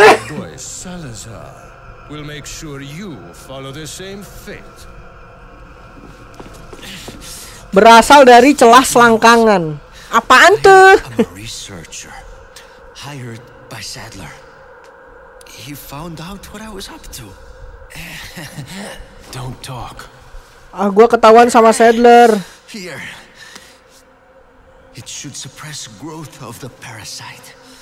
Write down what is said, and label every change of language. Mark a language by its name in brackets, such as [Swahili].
[English] Boy, Salazar will make sure you follow the same fate. [Indonesian] Berasal dari celah selangkangan. Apaan tuh? [English] Researcher hired by Sadler. He found out what I was up to. Don't talk. [Indonesian] Ah, gua ketahuan sama Sadler. [English] Here. It should suppress growth of the parasite.